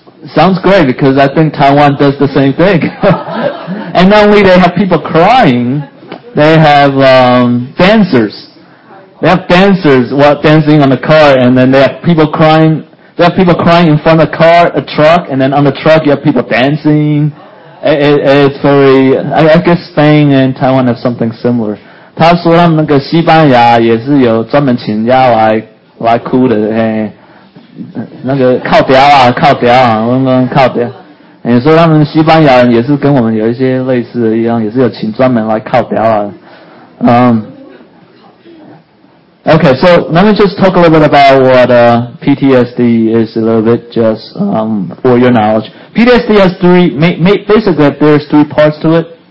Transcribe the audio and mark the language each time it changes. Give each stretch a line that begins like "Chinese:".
English: Sounds great, because I think Taiwan does the same thing. And not only they have people crying, they have dancers. They have dancers while dancing on the car, and then they have people crying. They have people crying in front of a car, a truck, and then on the truck you have people dancing. It's very. I guess Spain and Taiwan have something similar.
Chinese: 他说他们那个西班牙也是有专门请假来哭的，嘿，那个靠调啊，靠调啊，靠调。你说他们西班牙人也是跟我们有一些类似的一样，也是有请专门来靠调啊。
English: Okay, so let me just talk a little bit about what PTSD is a little bit just for your knowledge. PTSD has there's three parts to it.